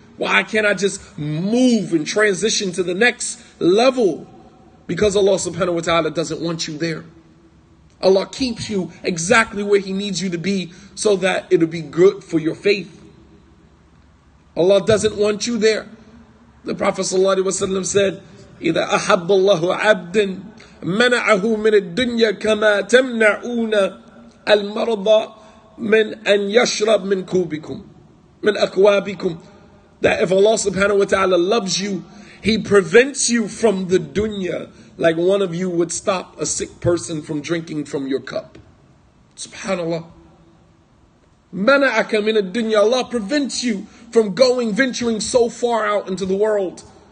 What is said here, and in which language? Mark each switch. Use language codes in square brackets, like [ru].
[en] Why can't I just move and transition to the next level? Because Allah [ar] subhanahu wa ta'ala [en] doesn't want you there. Allah keeps you exactly where He needs you to be so that it'll be good for your faith. Allah doesn't want you there. The Prophet sallallahu alaihi wasallam said, [ar] إِذَا أَحَبَّ اللَّهُ عَبْدًا مَنَعَهُ مِنَ الدُّنْيَا كَمَا تَمْنَعُونَ الْمَرْضَ مِنْ أَنْ يَشْرَبْ مِنْ كُوبِكُمْ مِنْ أَكْوَابِكُمْ. [en] That if Allah [ar] subhanahu wa ta'ala [en] loves you, He prevents you from the dunya like one of you would stop a sick person from drinking from your cup. [ar] SubhanAllah. مَنَعَكَ مِنَ الدُّنْيَا. [en] Allah prevents you from going, venturing so far out into the world.